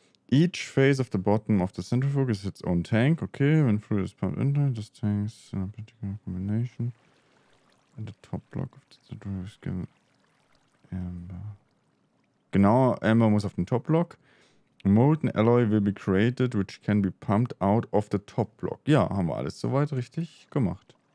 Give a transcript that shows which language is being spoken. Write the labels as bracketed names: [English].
[English] Each face of the bottom of the centrifuge is its own tank. Okay, when fluid is pumped into this tank, in a particular combination. And the top block of the centrifuge is given amber. [German] Genau, amber muss auf den top block. [English] Molten Alloy will be created, which can be pumped out of the top block. [German] Ja, haben wir alles soweit richtig gemacht.